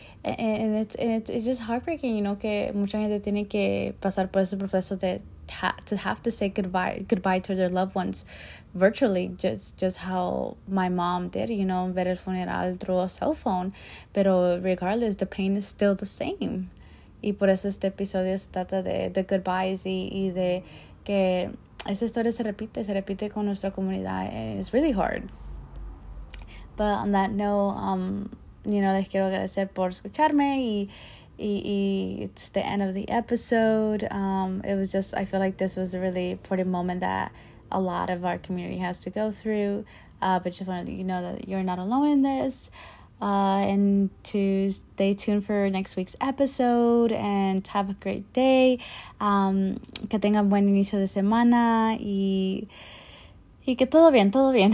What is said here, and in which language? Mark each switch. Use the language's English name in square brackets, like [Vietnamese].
[English] And it's just heartbreaking, you know, [Spanish] que mucha gente tiene que pasar por ese proceso de [English] to have to say goodbye to their loved ones virtually, just how my mom did, you know, [Spanish] ver el funeral [English] through a cell phone. Pero regardless, the pain is still the same. [Spanish] Y por eso este episodio se trata de goodbyes y de que esa historia se repite con nuestra comunidad. [English] And it's really hard. But on that note, you know, [Spanish] les quiero agradecer por escucharme y [English] it's the end of the episode. It was just, I feel like this was a really important moment that a lot of our community has to go through. But just wanted you know that you're not alone in this. And to stay tuned for next week's episode and have a great day. [Spanish] Que tengan buen inicio de semana y que todo bien.